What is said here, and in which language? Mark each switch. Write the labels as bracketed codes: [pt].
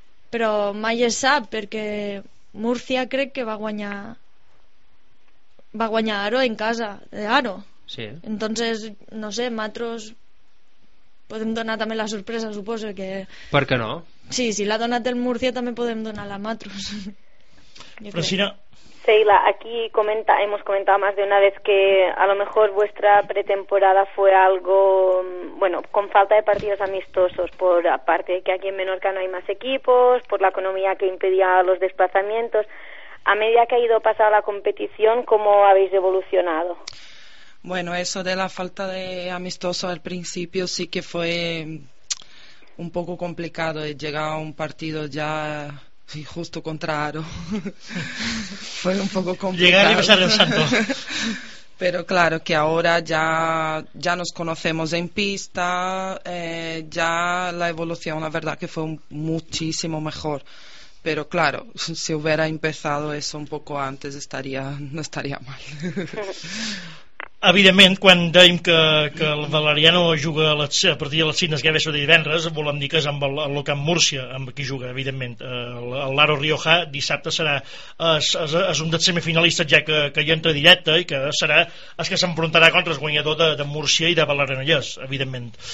[ca] Però mai es sap, perquè Múrcia crec que va guanyar Aro en casa d'Aro. Sí. Entonces, no sé, matros podem donar també la sorpresa, suposo que... Per què no? Sí, si l'ha donat el Múrcia també podem donar la matros. Francina. [es] Sheila, aquí hemos comentado más de una vez que a lo mejor vuestra pretemporada fue algo, bueno, con falta de partidos amistosos, por aparte de que aquí en Menorca no hay más equipos, por la economía que impedía los desplazamientos. A medida que ha ido pasada la competición, ¿cómo habéis evolucionado? Bueno, eso de la falta de amistoso al principio sí que fue un poco complicado, he llegado a un partido ya... Sí, justo contra Aro. Fue un poco complicado. Llegar y pasar el santo. Pero claro que ahora ya nos conocemos en pista, ya la evolución, la verdad que fue muchísimo mejor. Pero claro, si hubiera empezado eso un poco antes no estaría mal. [ca] Evidentment, quan dèiem que el Valeriano juga a partir de les 5 d'esquerra de divendres, volem dir que és amb el Locamp Múrcia amb qui juga, evidentment. El Laro Rioja dissabte serà és un dels semifinalistes, ja que hi entra directe, i que serà el que s'enfrontarà contra el guanyador de Múrcia i de Valeriano, evidentment.